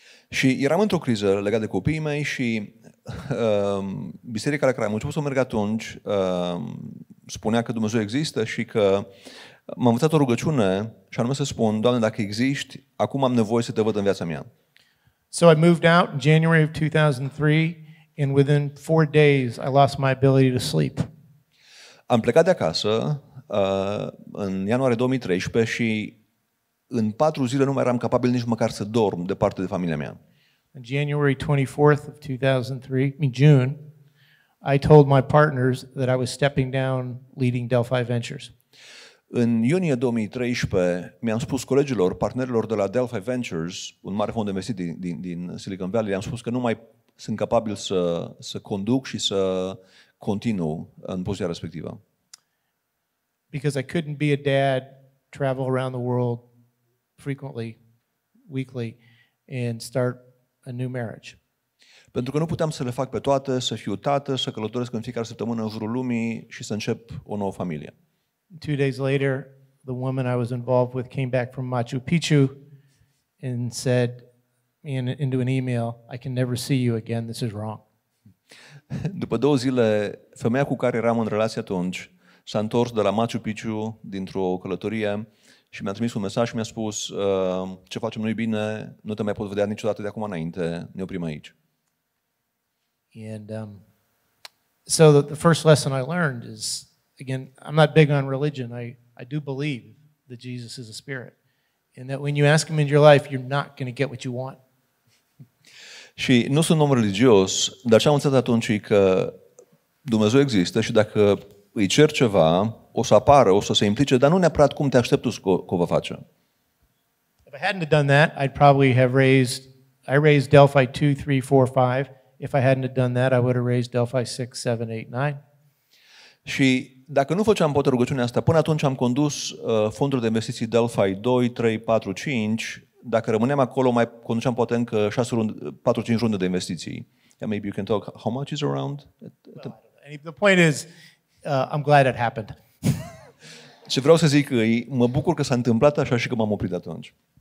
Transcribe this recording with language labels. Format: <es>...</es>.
<ro>Și eram într-o criză legată de copiii mei și biserica la care am început să merg atunci spunea că Dumnezeu există și că m-am învățat o rugăciune și anume să spun, Doamne, dacă existi, acum am nevoie să te văd în viața mea.</ro> <en>So I moved out in January of 2003, and within 4 days I lost my ability to sleep.</en> <ro>Am plecat de acasă în ianuarie 2013 și în 4 zile nu mai eram capabil nici măcar să dorm departe de familia mea.</ro> <en>On January 24th of 2003, in June, I told my partners that I was stepping down leading Delphi Ventures.</en> <ro>În iunie 2013 mi-am spus colegilor, partenerilor de la Delphi Ventures, un mare fond de investiții din Silicon Valley, le-am spus că nu mai sunt capabil să conduc și să continuu în poziția respectivă.</ro> <en>Because I couldn't be a dad, travel around the world frequently, weekly, and start a new marriage.</en> <ro>Pentru că nu puteam să le fac pe toate, să fiu tată, să călătoresc în fiecare săptămână în jurul lumii și să încep o nouă familie.</ro> <en>2 days later, the woman I was involved with came back from Machu Picchu and said into an email, I can never see you again, this is wrong.</en> <ro>După 2 zile, femeia cu care eram în relație atunci s-a întors de la Machu Picchu dintr-o călătorie și mi-a trimis un mesaj și mi-a spus, ce facem, nu-i bine, nu te mai pot vedea niciodată de acum înainte, ne oprim aici.</ro> <en>And so the first lesson I learned is, again, I'm not big on religion. I do believe that Jesus is a spirit, and that when you ask him in your life, you're not going to get what you want.</en> <ro>Și nu sunt om religios, dar ce am înțeles atunci e că Dumnezeu există și dacă îi cer ceva, o să apară, o să se implice, dar nu neapărat cum te aștepți că o va face.</ro> <en>If I hadn't have done that, I'd probably have raised, I raised Delphi 2, 3, 4, 5. If I hadn't have done that, I would have raised Delphi 6, 7, 8, 9.</en> <ro>Și dacă nu făceam poate rugăciunea asta, până atunci am condus fondurile de investiții Delphi 2, 3, 4, 5. Dacă rămâneam acolo, mai conduceam poate încă 6 runde, 4, 5 runde de investiții.</ro> <en>Yeah, maybe you can talk, how much is around? The point is, I'm glad it happened.</en> <ro>Ce vreau să zic, mă bucur că s-a întâmplat așa și că m-am oprit atunci.</ro>